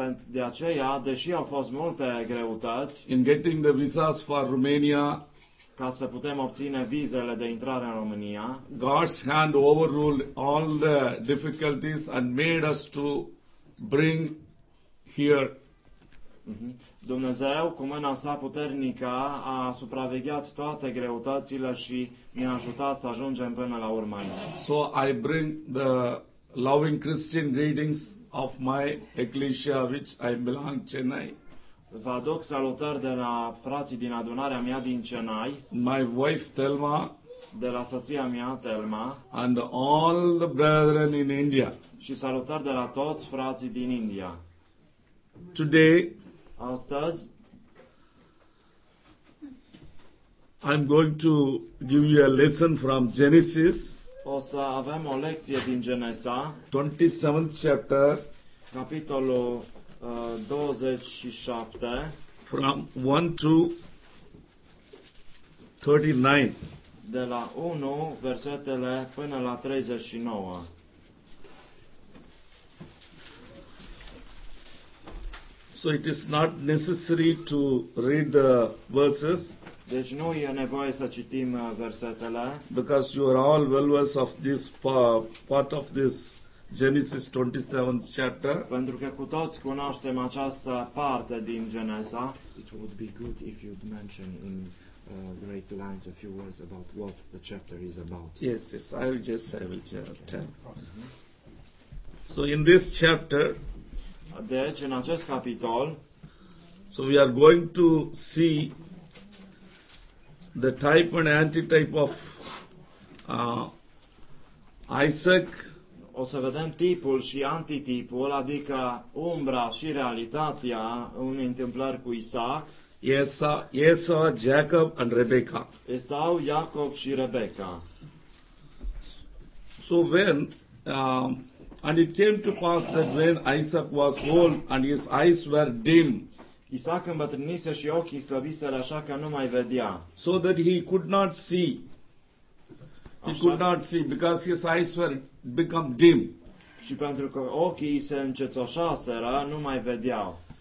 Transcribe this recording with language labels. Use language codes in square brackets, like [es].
[ro] De aceea, deși au fost multe greutăți [en] in getting the visas for Romania, [ro] ca să putem obține vizele de intrare în România, [en] God's hand overruled all the difficulties and made us to bring here. [ro] Dumnezeu, cu mâna sa puternică, a supravegheat toate greutățile și ne-a ajutat să ajungem până la urmă. [en] So I bring the loving Christian greetings of my ecclesia which I belong Chennai. [ro] Vă aduc salutări de la frații din adunarea mea din Chennai. [en] My wife Thelma, [ro] de la soția mea Thelma, [en] and all the brethren in India. [ro] Și salutări de la toți frații din India. [en] Today, [ro] astăzi, [en] I'm going to give you a lesson from Genesis. [ro] O să avem o lecție din Genesa, [en] 27th chapter, [ro] capitolul 27, [en] from 1 to 39, [ro] de la 1 versetele până la 39. [en] So it is not necessary to read the verses. [ro] Deci nu e nevoie să citim versetele. [en] Because you are all well versed of this part of this Genesis 27 chapter. [ro] Pentru că cu toți cunoaștem această parte din Genesa. [en] It would be good if you'd mention in great lines a few words about what the chapter is about. Yes, I will tell. So in this chapter, [ro] deci în acest capitol, [en] so we are going to see the type and anti-type of Isaac. [ro] O să vedem tipul și antitipul, adică umbra și realitatea unei întâmplări cu Isaac. Esau, Jacob and Rebecca. Esau, Iacob și Rebecca. [en] So when and it came to pass that when Isaac was old and his eyes were dim, [ro] Isaac îmbătrânise și ochii slăbiseră așa că nu mai vedea. [en] So that he could not see. He could not see because his eyes were become dim. [ro] Și pentru că ochii se încețoșaseră, nu mai vedeau.